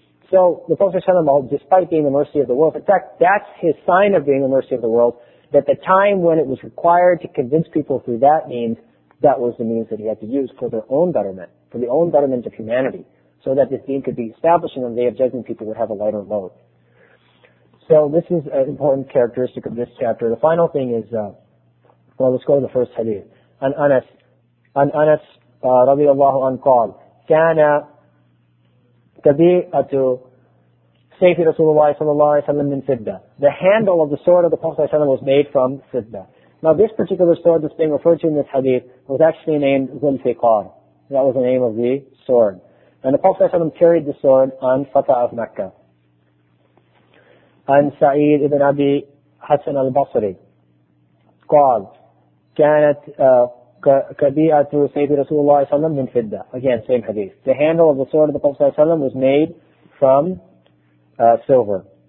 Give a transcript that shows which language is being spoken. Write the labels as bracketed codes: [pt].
[en] So, the Prophet ﷺ, despite being the mercy of the world, in fact, that's his sign of being the mercy of the world, that the time when it was required to convince people through that means, that was the means that he had to use for their own betterment, for the own betterment of humanity, so that this deen could be established and on the day of judgment people would have a lighter load. So, this is an important characteristic of this chapter. The final thing is, let's go to the first hadith. [ar] An Anas, رضي الله عنه, قال, كان تبيئة سيف رسول الله صلى الله عليه وسلم من فضة. [en] The handle of the sword of the Prophet was made from [ar] فضة. [en] Now, this particular sword that's being referred to in this hadith was actually named Zulfiqar. That was the name of the sword. And the Prophet ﷺ carried the sword on Fatah of Mecca. [ar] And Sa'id ibn Abi Hassan al-Basri قال كانت كبيئة سيف رسول الله صلى الله عليه وسلم من فضة. [en] Again, same hadith. The handle of the sword of the Prophet ﷺ was made from silver.